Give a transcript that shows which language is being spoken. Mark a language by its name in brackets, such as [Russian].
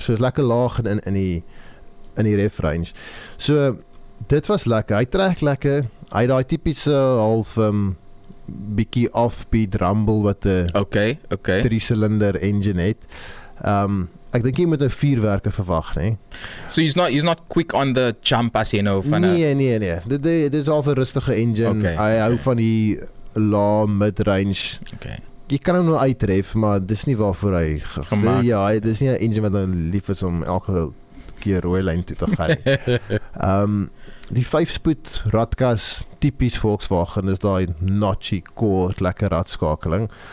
[Afrikaans] So is lekker laag in die ref range. So dit was lekker. Hy trek lekker. Hy daai tipiese half bietjie offbeat rumble wat 'n okay. 3-silinder engine het. Ek dink jy moet 'n vierwerke verwag, nê. [English] So he's not quick on the jump as you know [Afrikaans] van. Nee. Dit is al 'n rustige engine. Okay. Hy hou van die law mid-range. Okay. Jy kan hom nou uitref, maar dis nie waarvoor hy gemaak. Ja, dis nie 'n engine wat nou lief is om elke keer rooi lyn toe te gaan. die 5-spoed radkas, typies Volkswagen, is daai notchy core, lekker radskakeling.